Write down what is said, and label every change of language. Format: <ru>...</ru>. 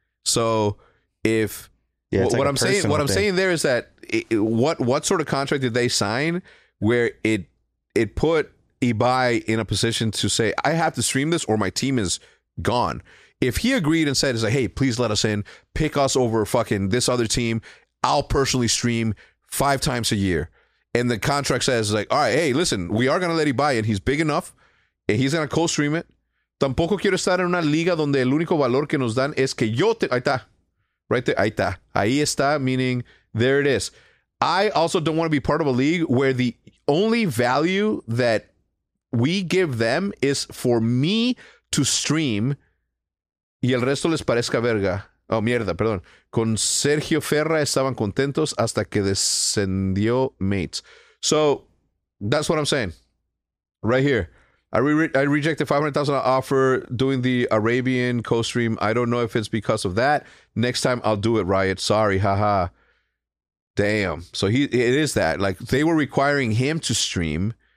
<en>So if what sort of contract did they sign where it put Ibai in a position to say, I have to stream this or my team is gone? If he agreed and said, it's like, hey, please let us in, pick us over fucking this other team, I'll personally stream 5 times a year. And the contract says, like, all right, hey, listen, we are going to let Ibai in. He's big enough and he's going to co-stream it.</en> <es>Tampoco quiero estar en una liga donde el único valor que nos dan es que yo te... Ahí está.</es> <en>Right there.</en> <es>Ahí está. Ahí está,</es> <en>meaning there it is. I also don't want to be part of a league where the only value that we give them is for me to stream</en> <es>y el resto les parezca verga. Oh, mierda, perdón. Con Sergio Ferra estaban contentos hasta que descendió Mates.</es> <en>So, that's what I'm saying. Right here. I rejected $500,000 offer doing the Arabian co-stream. I don't know if it's because of that. Next time I'll do it, Riot. Sorry, haha. Damn. So it is that. Like, they were requiring him to stream.</en>